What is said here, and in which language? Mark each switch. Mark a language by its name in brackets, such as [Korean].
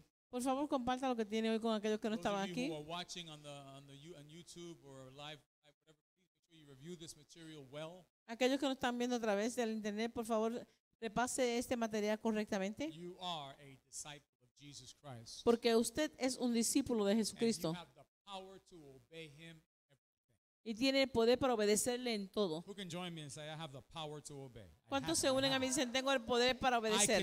[Spanish] Por favor, comparta lo que tiene hoy con aquellos que no estaban aquí. [English] Those of you who are watching on YouTube or live, whatever, please make sure you review this material well. [Spanish] Aquellos que no están viendo a través del internet, por favor, repase este material correctamente. [English] You are a disciple of Jesus Christ. [Spanish] Porque usted es un discípulo de Jesucristo. [English] And you have the power to obey him. [Spanish] Y tiene el poder para obedecerle en todo. [English] Who can join me and say I have the power to obey? [Spanish] ¿Cuántos se unen a mí y dicen tengo el poder para obedecer?